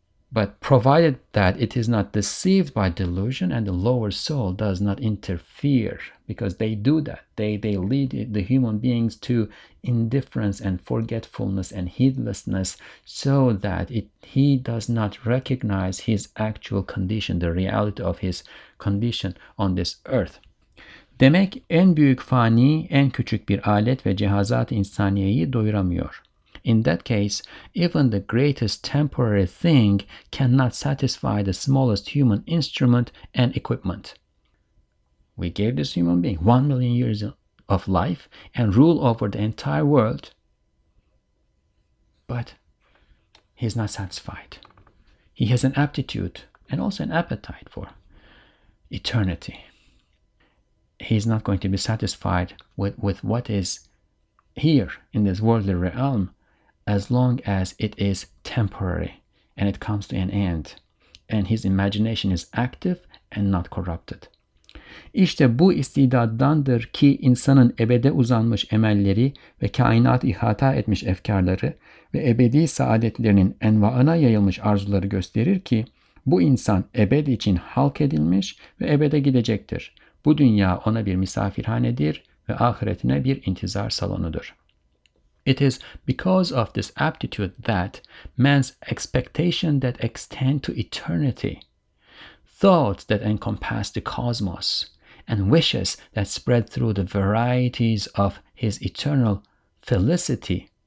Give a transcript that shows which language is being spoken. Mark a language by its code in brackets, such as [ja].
[en] But provided that it is not deceived by delusion and the lower soul does not interfere, because they do that. They lead the human beings to indifference and forgetfulness and heedlessness so that he does not recognize his actual condition, the reality of his condition on this earth. [tr] Demek en büyük fani, en küçük bir alet ve cihazat-ı insaniyeyi doyuramıyor. [en] In that case, even the greatest temporary thing cannot satisfy the smallest human instrument and equipment. We gave this human being 1 million years of life and rule over the entire world, but he's not satisfied. He has an aptitude and also an appetite for eternity. He's not going to be satisfied with what is here in this worldly realm, as long as it is temporary and it comes to an end and his imagination is active and not corrupted. [tr] İşte bu istidaddandır ki insanın ebede uzanmış emelleri ve kainat ihata etmiş efkarları ve ebedi saadetlerinin envaına yayılmış arzuları gösterir ki bu insan ebed için halk edilmiş ve ebede gidecektir. Bu dünya ona bir misafirhanedir ve ahiretine bir intizar salonudur. [en] It is because of this aptitude that man's expectation that extend to eternity, thoughts that encompass the cosmos, and wishes that spread through the varieties of his eternal felicity,